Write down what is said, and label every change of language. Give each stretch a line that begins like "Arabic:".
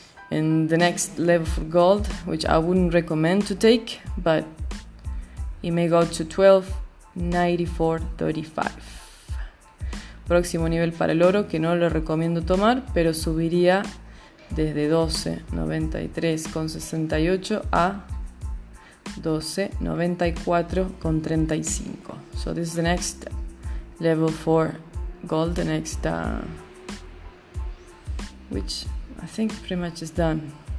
English: And the next level for gold, which I wouldn't recommend to take, but it may go to 1294.35.
Spanish: Próximo nivel para el oro, que no lo recomiendo tomar, pero subiría desde 1293.68 a 12.94.35.
English: So this is the next level 4 goal, the next which I think pretty much is done.